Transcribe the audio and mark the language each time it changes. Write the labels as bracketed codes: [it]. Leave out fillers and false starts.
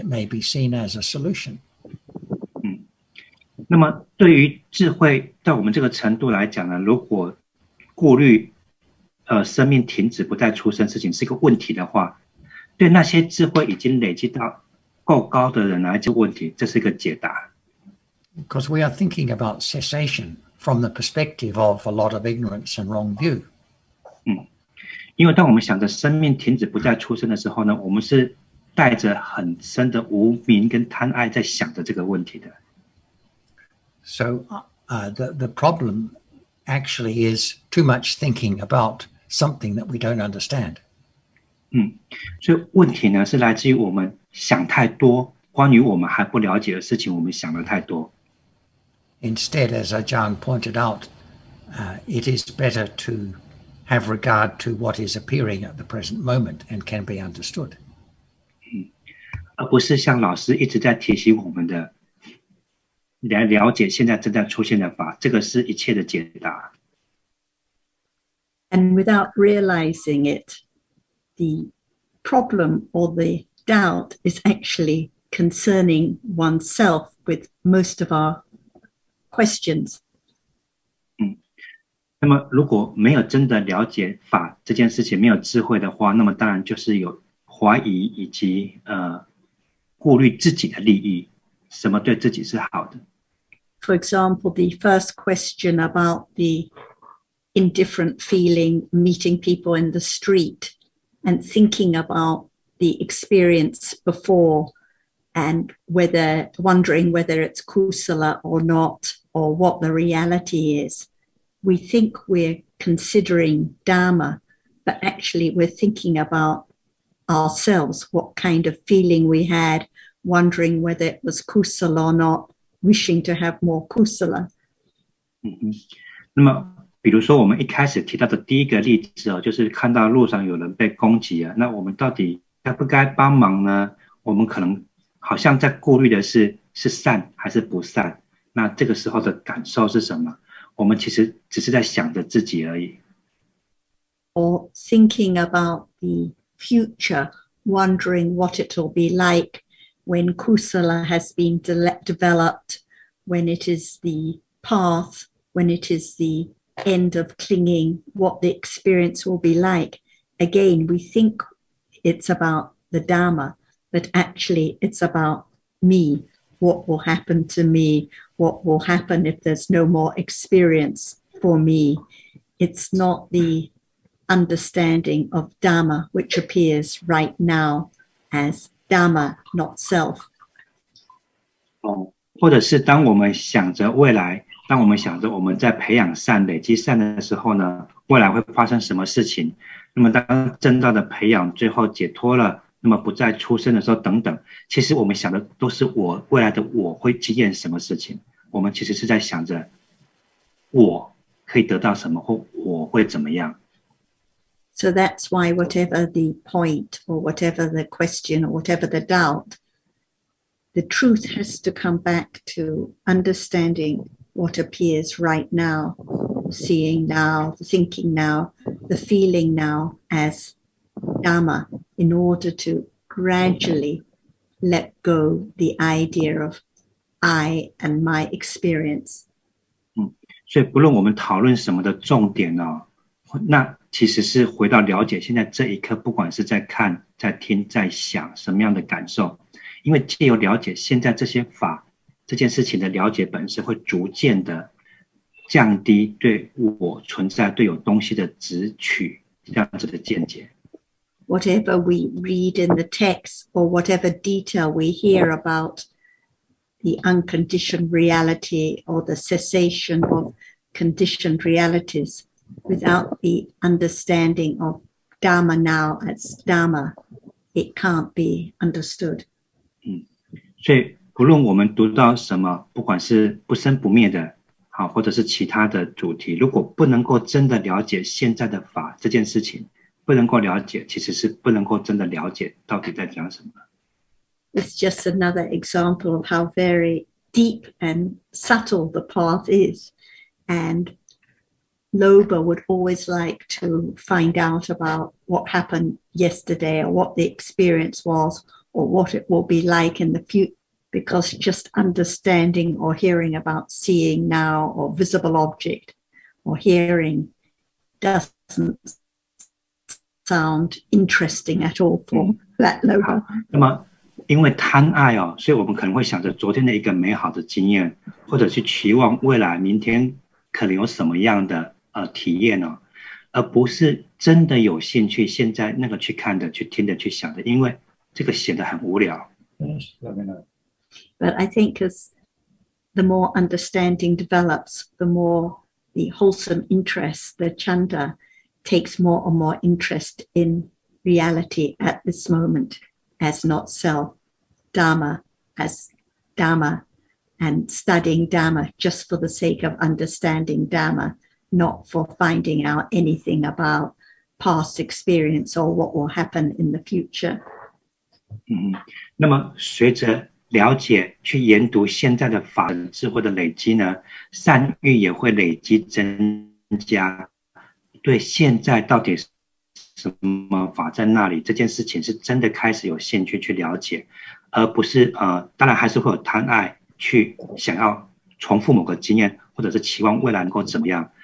[en] It may be seen as a solution. [zh] 那么对于智慧，在我们这个程度来讲呢，如果顾虑，生命停止不再出生事情是一个问题的话，对那些智慧已经累积到够高的人来这个问题，这是一个解答。 [en] Because we are thinking about cessation from the perspective of a lot of ignorance and wrong view. [zh] 因为当我们想着生命停止不再出生的时候呢，我们是带着很深的无明跟贪爱在想着这个问题的。 [en] So, the problem actually is too much thinking about something that we don't understand. [zh] 所以问题呢是来自于我们想太多，关于我们还不了解的事情，我们想的太多。 [en] Instead, as Ajahn pointed out, it is better to have regard to what is appearing at the present moment and can be understood. [zh] 而不是像老师一直在提醒我们的，来了解现在正在出现的法，这个是一切的解答。 [en] And without realizing it, the problem or the doubt is actually concerning oneself with most of our questions. [zh] 那么如果没有真的了解法这件事情，没有智慧的话，那么当然就是有怀疑以及顾虑自己的利益，什么对自己是好的。 [en] For example, the first question about the indifferent feeling, meeting people in the street, and thinking aboutThe experience before, and whether wondering whether it's kusala or not, or what the reality is, we think we're considering dharma, but actually we're thinking about ourselves. What kind of feeling we had, wondering whether it was kusala or not, wishing to have more kusala. [zh] 那么比如说我们一开始提到的第一个例子哦，就是看到路上有人被攻击啊，那我们到底该不该帮忙呢？我们可能好像在顾虑的是善还是不善。那这个时候的感受是什么？我们其实只是在想着自己而已。 [en] Or thinking about the future, wondering what it will be like when kusala has been developed, when it is the path, when it is the end of clinging, what the experience will be like. Again, we think. It's about the Dharma, but actually it's about me. What will happen to me? What will happen if there's no more experience for me? It's not the understanding of Dharma, which appears right now as Dharma, not self. [zh] 或者是当我们想着未来，当我们想着我们在培养善、累积善的时候呢，未来会发生什么事情？那么当正道的培养最后解脱了，那么不再出生的时候等等，其实我们想的都是我未来的我会经验什么事情，我们其实是在想着我可以得到什么或我会怎么样。 [en] So that's why whatever the point or whatever the question or whatever the doubt, the truth has to come back to understanding what appears right nowSeeing now, thinking now, the feeling now as Dharma, in order to gradually let go the idea of I and my experience. [zh] 所以不论我们讨论什么的重点哦，那其实是回到了解现在这一刻，不管是在看、在听、在想什么样的感受，因为藉由了解现在这些法这件事情的了解本身，会逐渐的降低对我存在对有东西的执取这样子的见解。 [en] Whatever we read in the text or whatever detail we hear about the unconditioned reality or the cessation of conditioned realities without the understanding of Dharma now as Dharma, it can't be understood. [zh] 所以不论我们读到什么，不管是不生不灭的，好，或者是其他的主题，如果不能够真的了解现在的法这件事情，不能够了解，其实是不能够真的了解到底在讲什么。 [en] It's just another example of how very deep and subtle the path is. And Loba would always like to find out about what happened yesterday or what the experience was or what it will be like in the future. Because just understanding or hearing about seeing now or visible object or hearing doesn't sound interesting at all for that Loba. [zh] 因为贪爱哦，所以我们可能会想着昨天的一个美好的经验，或者去期望未来明天可能有什么样的体验哦，而不是真的有兴趣现在那个去看的、去听的、去想的，因为这个显得很无聊。 [en] But I think as the more understanding develops, the more the wholesome interest, the chanda takes more and more interest in reality at this moment. As not self, Dharma as Dharma, and studying Dharma just for the sake of understanding Dharma, not for finding out anything about past experience or what will happen in the future. [zh] 那么随着了解去研读现在的法智慧的累积呢，善欲也会累积增加，对现在到底是。什么法在那里？这件事情是真的开始有兴趣去了解，而不是当然还是会有贪爱去想要重复某个经验，或者是期望未来能够怎么样。